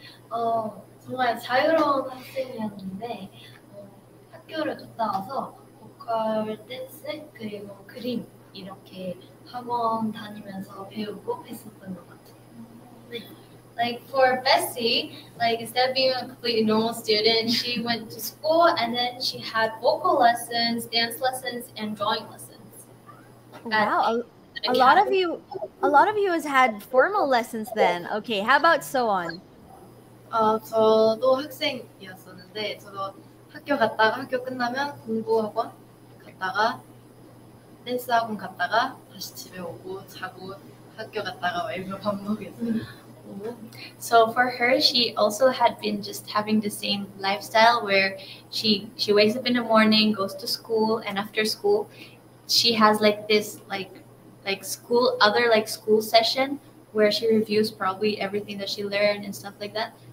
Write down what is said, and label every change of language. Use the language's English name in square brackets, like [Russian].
[Korean] Oh, 정말 자유로운 학생이었는데 학교를 갔다 와서 보컬, 댄스, 그리고 그림 이렇게 학원 다니면서 배우고 했었던 것 같아요. 네. [English] Like for Bessie, like instead of being a completely normal student, she went to school and then she had vocal lessons, dance lessons, and drawing lessons. Wow, a lot of you has had formal lessons then. Okay, how about so on? [Korean] 저도 학생이었었는데 저도 학교 갔다가 학교 끝나면 공부 학원 갔다가 댄스 학원 갔다가 다시 집에 오고 자고 학교 갔다가 일부러 밥 먹었어요. [English] So for her, she also had been just having the same lifestyle where she wakes up in the morning, goes to school, and after school, she has like this school session where she reviews probably everything that she learned and stuff like that.